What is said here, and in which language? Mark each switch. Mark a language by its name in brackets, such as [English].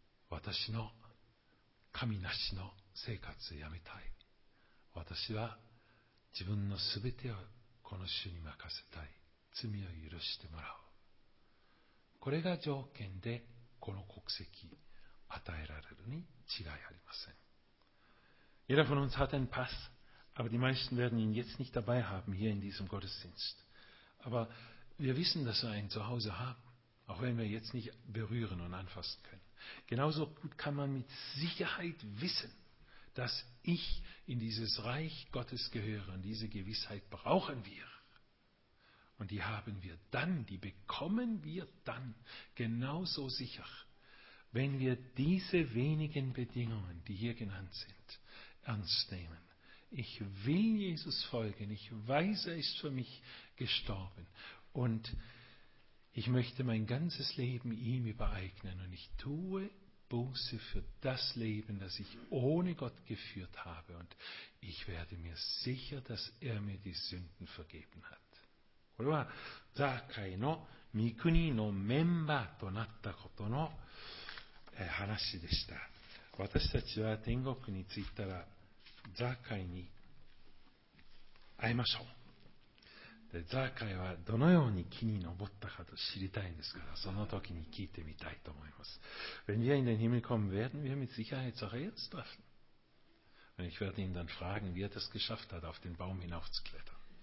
[Japanese] 私の神なしの生活をやめたい。私は自分のすべてをこの主に任せたい。罪を許してもらう。これが条件で、この国籍与えられるに違いありません。 [German] Jeder von uns hat einen Pass, aber die meisten werden ihn jetzt nicht dabei haben, hier in diesem Gottesdienst. Aber wir wissen, dass wir einen zu Hause haben, auch wenn wir jetzt nicht berühren und anfassen können. Genauso gut kann man mit Sicherheit wissen, dass ich in dieses Reich Gottes gehöre und diese Gewissheit brauchen wir. Und die haben wir dann, die bekommen wir dann genauso sicher, wenn wir diese wenigen Bedingungen, die hier genannt sind, ernst nehmen. Ich will Jesus folgen. Ich weiß, er ist für mich gestorben. Und ich möchte mein ganzes Leben ihm übereignen. Und ich tue Buße für das Leben, das ich ohne Gott geführt habe. Und ich werde mir sicher, dass er mir die Sünden vergeben hat. [Japanese] これはザーカイの御国のメンバーとなったことの話でした。私たちは天国に着いたらザーカイに会いましょう。でザーカイはどのように木に登ったかと知りたいんですから、その時に聞いてみたいと思います。 [German] Wenn wir in den Himmel kommen werden, wir mit Sicherheit Zachäus treffen. Und ich werde ihn dann fragen, wie er das geschafft hat, auf den Baum hinaufzuklettern.